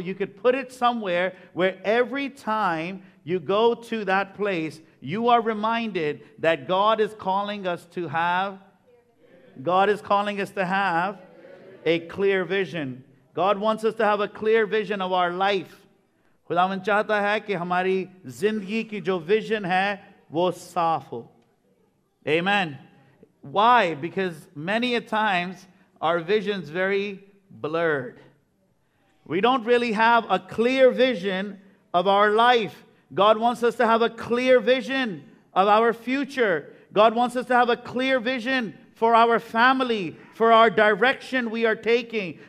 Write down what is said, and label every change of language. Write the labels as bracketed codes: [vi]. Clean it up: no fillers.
[en] You could put it somewhere where every time you go to that place, you are reminded that God is calling us to have. God is calling us to have a clear vision. God wants us to have a clear vision of our life. [hi] खुदावंद चाहता है कि हमारी जिंदगी की जो vision है वो साफ हो. [en] Amen. Why? Because many a times our vision's very blurred. We don't really have a clear vision of our life. God wants us to have a clear vision of our future. God wants us to have a clear vision for our family, for our direction we are taking.